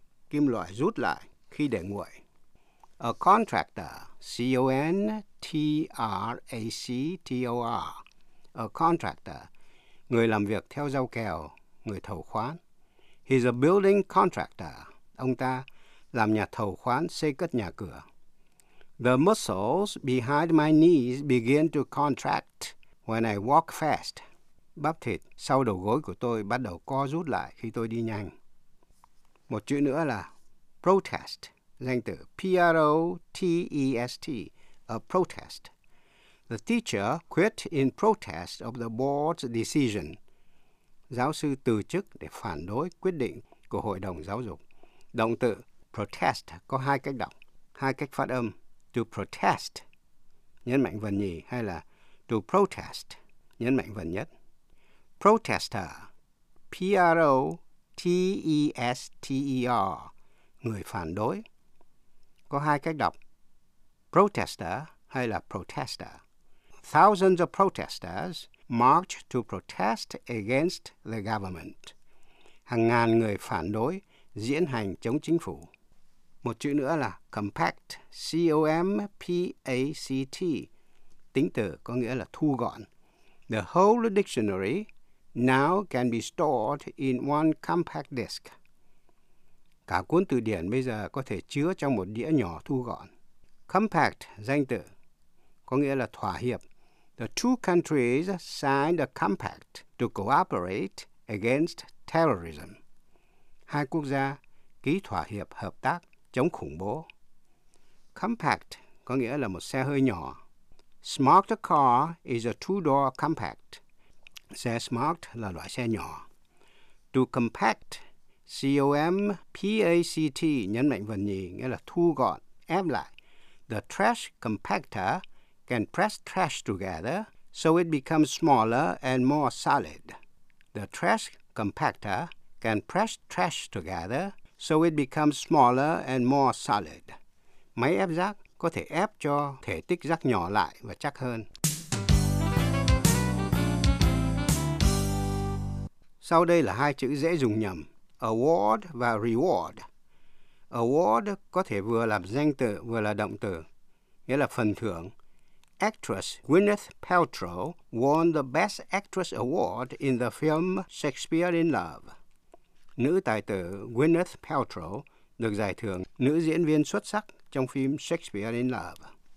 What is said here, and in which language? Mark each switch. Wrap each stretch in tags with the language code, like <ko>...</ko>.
<vi>Kim loại rút lại khi để nguội. A contractor, C-O-N-T-R-A-C-T-O-R. A contractor, người làm việc theo giao kèo, người thầu khoán.</vi> <en>He's a building contractor.</en> <vi>Ông ta làm nhà thầu khoán xây cất nhà cửa.</vi> <en>The muscles behind my knees begin to contract when I walk fast.</en> <vi>Bắp thịt sau đầu gối của tôi bắt đầu co rút lại khi tôi đi nhanh. Một chữ nữa là protest, danh từ P-R-O-T-E-S-T, a protest.</vi> <en>The teacher quit in protest of the board's decision.</en> <vi>Giáo sư từ chức để phản đối quyết định của hội đồng giáo dục. Động từ protest có hai cách đọc, hai cách phát âm. To protest, nhấn mạnh vần nhì, hay là to protest, nhấn mạnh vần nhất. Protester, P-R-O-T-E-S-T-E-R, người phản đối. Có hai cách đọc, protester hay là protester.</vi> <en>Thousands of protesters marched to protest against the government.</en> <vi>Hàng ngàn người phản đối diễn hành chống chính phủ. Một chữ nữa là compact, C-O-M-P-A-C-T, tính từ có nghĩa là thu gọn.</vi> <en>The whole dictionary now can be stored in one compact disc.</en> <vi>Cả cuốn từ điển bây giờ có thể chứa trong một đĩa nhỏ thu gọn. Compact, danh từ, có nghĩa là thỏa hiệp.</vi> <en>The two countries signed a compact to cooperate against terrorism.</en> <vi>Hai quốc gia ký thỏa hiệp hợp tác chống khủng bố. Compact có nghĩa là một xe hơi nhỏ.</vi> <en>Smart car is a two-door compact.</en> <vi>Xe smart là loại xe nhỏ. To compact, C-O-M-P-A-C-T, nhấn mạnh vần nhì, nghĩa là thu gọn, ép lại.</vi> <en>The trash compactor can press trash together so it becomes smaller and more solid. The trash compactor can press trash together so it becomes smaller and more solid.</en> <vi>Máy ép rác có thể ép cho thể tích rác nhỏ lại và chắc hơn. Sau đây là hai chữ dễ dùng nhầm, award và reward. Award có thể vừa là danh từ vừa là động từ, nghĩa là phần thưởng.</vi> <en>Actress Gwyneth Paltrow won the Best Actress Award in the film Shakespeare in Love.</en> <vi>Nữ tài tử Gwyneth Paltrow được giải thưởng nữ diễn viên xuất sắc trong phim Shakespeare in Love.</vi>